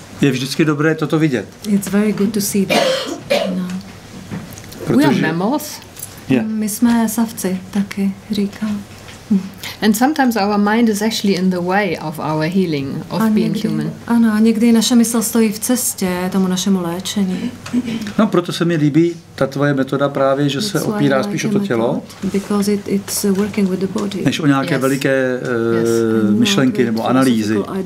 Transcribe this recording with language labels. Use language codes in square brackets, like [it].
[cs] Je vždycky dobré toto vidět. [en] It's very good to see that. No. Protože... We are mammals. Yeah. [cs] My jsme savci, taky říkám. [en] And sometimes our mind is actually in the way of our healing, of being human. [cs] Ano, někdy naše mysl stojí v cestě tomu našemu léčení. No, proto se mi líbí ta tvoje metoda právě, že se opírá spíš o to tělo, [en] because it's working with the body. [cs] Než o nějaké veliké myšlenky nebo analýzy.